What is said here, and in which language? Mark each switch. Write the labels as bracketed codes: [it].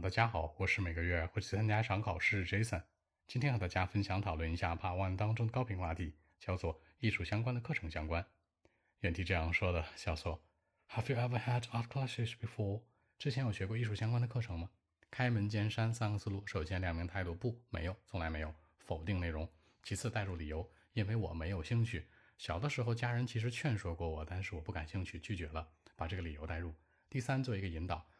[zh] 大家好，我是每个月会去参加一场考试 Jason。今天和大家分享讨论一下 Part One 当中的高频话题，叫做艺术相关的课程相关。原题这样说的，叫做 [en] Have you ever had art classes before？ [zh] 之前有学过艺术相关的课程吗？开门见山三个思路，首先亮明态度，不，没有，从来没有，否定内容。其次带入理由，因为我没有兴趣。小的时候家人其实劝说过我，但是我不感兴趣，拒绝了，把这个理由带入。第三，做一个引导。